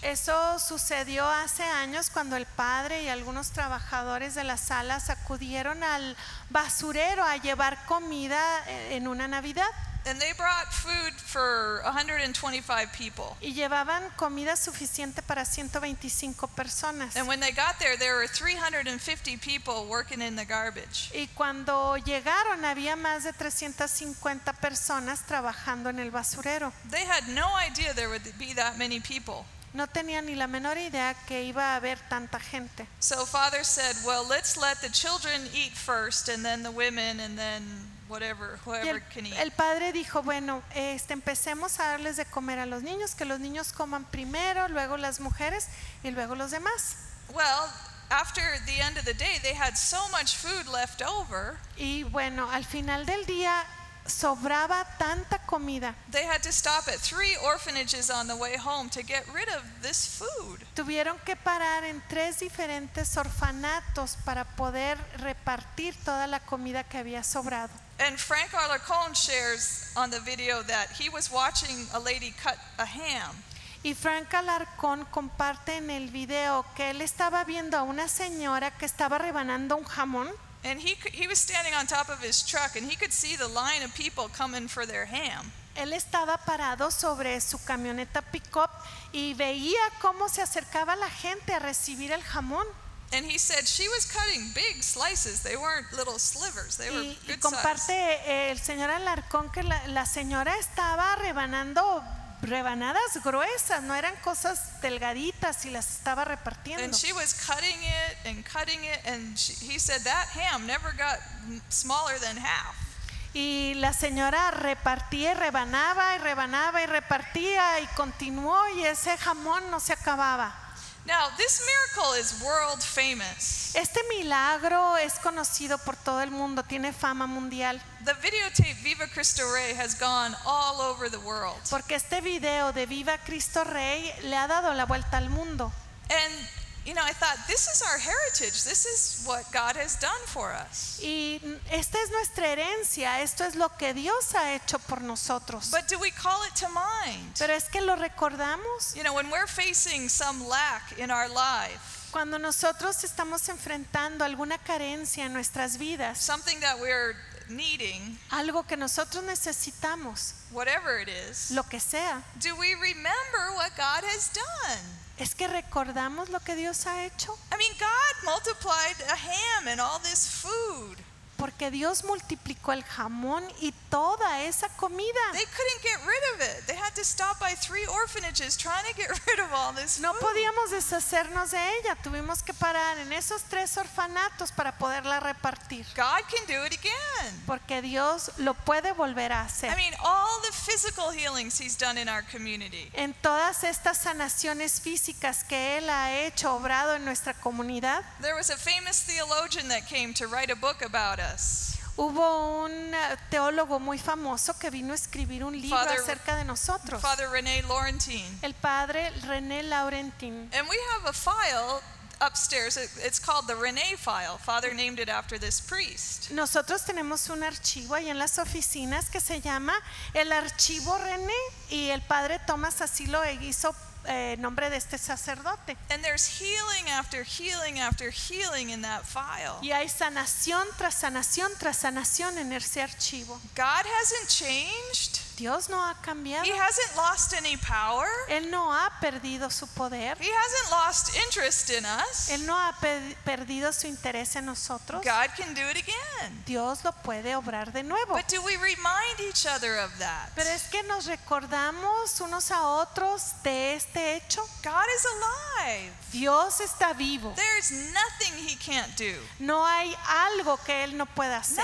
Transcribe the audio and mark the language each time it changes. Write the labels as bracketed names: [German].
[Spanish] Eso sucedió hace años cuando el padre y algunos trabajadores de las salas acudieron al basurero a llevar comida en una Navidad. [English] And they brought food for 125 people. [Spanish] Y llevaban comida suficiente para 125 personas. [English] And when they got there, there were 350 people working in the garbage. [Spanish] Y cuando llegaron había más de 350 personas trabajando en el basurero. [English] They had no idea there would be that many people. [Spanish] No tenían ni la menor idea que iba a haber tanta gente. [English] So father said, "Well, let's let the children eat first and then the women and then whatever, whoever can eat." [Spanish] El padre dijo, bueno, empecemos a darles de comer a los niños, que los niños coman primero, luego las mujeres y luego los demás. [English] Well, after the end of the day, they had so much food left over. [Spanish] Y bueno, al final del día sobraba tanta comida. [English] They had to stop at three orphanages on the way home to get rid of this food. [Spanish] Tuvieron que parar en tres diferentes orfanatos para poder repartir toda la comida que había sobrado. [English] And Frank Alarcón shares on the video that he was watching a lady cut a ham. [Spanish] Y Frank Alarcón comparte en el video que él estaba viendo a una señora que estaba rebanando un jamón. [English] And he was standing on top of his truck and he could see the line of people coming for their ham. [Spanish] Él estaba parado sobre su camioneta pickup y veía cómo se acercaba la gente a recibir el jamón. [English] And he said she was cutting big slices. They weren't little slivers. They were good size. [Spanish] Y comparte el señor Alarcón que la señora estaba rebanando rebanadas gruesas, no eran cosas delgaditas, y las estaba repartiendo. [English] And she was cutting it and cutting it, and he said that ham never got smaller than half. [Spanish] Y la señora repartía y rebanaba y rebanaba y repartía y continuó y ese jamón no se acababa. [English] Now, this miracle is world famous. [Spanish] Este milagro es conocido por todo el mundo, tiene fama mundial. [English] The videotape Viva Cristo Rey has gone all over the world. [Spanish] Porque este video de Viva Cristo Rey le ha dado la vuelta al mundo. [English] And you know, I thought this is our heritage. This is what God has done for us. [Spanish] Y esta es nuestra herencia. Esto es lo que Dios ha hecho por nosotros. [English] But do we call it to mind? [Spanish] Pero es que lo recordamos. [English] You know, when we're facing some lack in our life. [Spanish] Cuando nosotros estamos enfrentando alguna carencia en nuestras vidas. [English] Something that we're needing. [Spanish] Algo que nosotros necesitamos. [English] Whatever it is. [Spanish] Lo que sea. [English] Do we remember what God has done? [Spanish] ¿Es que recordamos lo que Dios ha hecho? [English] I mean, God multiplied a ham and all this food. [Spanish] Porque Dios multiplicó el jamón y toda esa comida. [English] They couldn't get rid of it. They had to stop by three orphanages trying to get rid of all this food. [Spanish] No podíamos deshacernos de ella. Tuvimos que parar en esos tres orfanatos para poderla repartir. [English] God can do it again. [Spanish] Porque Dios lo puede volver a hacer. [English] I mean, all the physical healings he's done in our community. [Spanish] En todas estas sanaciones físicas que él ha hecho, obrado en nuestra comunidad. [English] There was a famous theologian that came to write a book about it. [Spanish] Hubo un teólogo muy famoso que vino a escribir un libro acerca de nosotros. [English] Father René Laurentine. [Spanish] El padre René Laurentine. [English] And we have a file upstairs. It's called the René file. Father named it after this priest. [Spanish] Nosotros tenemos un archivo ahí en las oficinas que se llama el archivo René y el padre Thomas así lo hizo. Nombre de este sacerdote. [English] And there's healing after healing after healing in that file. [Spanish] Y hay sanación tras sanación tras sanación en ese archivo. [English] God hasn't changed. [Spanish] Dios no ha cambiado. [English] He hasn't lost any power. [Spanish] Él no ha perdido su poder. [English] He hasn't lost interest in us. [Spanish] Él no ha perdido su interés en nosotros. [English] God can do it again. [Spanish] Dios lo puede obrar de nuevo. [English] But do we remind each other of that? [Spanish] Pero es que nos recordamos unos a otros de este hecho. [English] God is alive. [Spanish] Dios está vivo. [English] There's nothing he can't do. [Spanish] No hay algo que él no pueda hacer.